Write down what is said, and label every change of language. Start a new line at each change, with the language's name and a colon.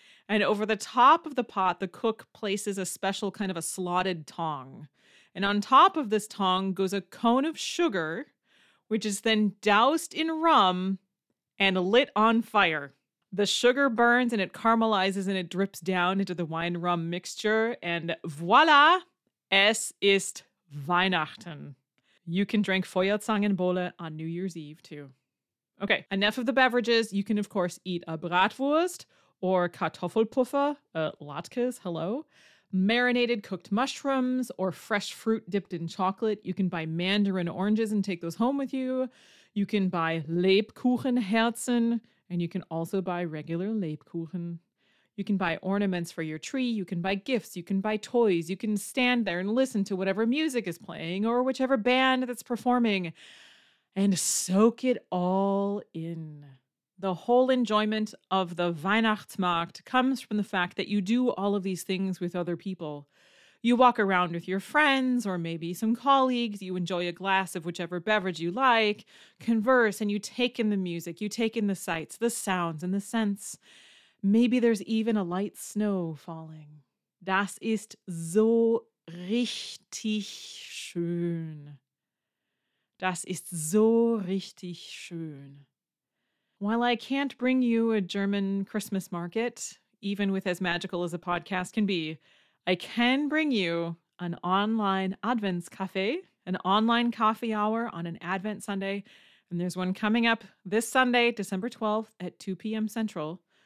English: And over the top of the pot, the cook places a special kind of a slotted tong. And on top of this tong goes a cone of sugar, which is then doused in rum and lit on fire. The sugar burns and it caramelizes and it drips down into the wine-rum mixture. And voila,
German: es ist Weihnachten.
English: You can drink Feuerzangenbowle on New Year's Eve too. Okay, enough of the beverages. You can, of course, eat a Bratwurst or Kartoffelpuffer, Latkes, hello. Marinated cooked mushrooms or fresh fruit dipped in chocolate. You can buy mandarin oranges and take those home with you. You can buy Lebkuchenherzen, and you can also buy regular Lebkuchen. You can buy ornaments for your tree. You can buy gifts. You can buy toys. You can stand there and listen to whatever music is playing or whichever band that's performing and soak it all in. The whole enjoyment of the Weihnachtsmarkt comes from the fact that you do all of these things with other people. You walk around with your friends or maybe some colleagues. You enjoy a glass of whichever beverage you like, converse, and you take in the music. You take in the sights, the sounds, and the scents. Maybe there's even a light snow falling.
German: Das ist so richtig schön. Das ist so richtig schön.
English: While I can't bring you a German Christmas market, even with as magical as a podcast can be, I can bring you an online Adventscafe, an online coffee hour on an Advent Sunday. And there's one coming up this Sunday, December 12th at 2 p.m. Central.